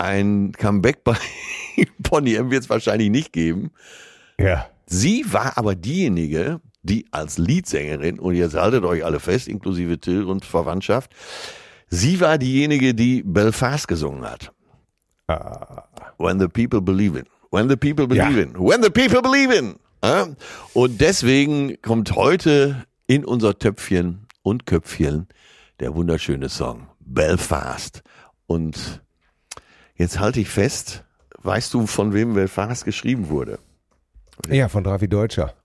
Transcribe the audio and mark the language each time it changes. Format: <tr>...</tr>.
<de>Ein Comeback bei Bonnie M. wird es wahrscheinlich nicht geben. Ja. Sie war aber diejenige, die als Leadsängerin, und jetzt haltet euch alle fest, inklusive Till und Verwandtschaft, sie war diejenige, die Belfast gesungen hat. Ah.</de> <en>When the people believe in. When the people believe in. When the people believe in.</en> <de>Und deswegen kommt heute in unser Töpfchen und Köpfchen der wunderschöne Song Belfast. Und jetzt halte ich fest, weißt du, von wem Belfast geschrieben wurde? Ja, von Ravi Deutscher.</de>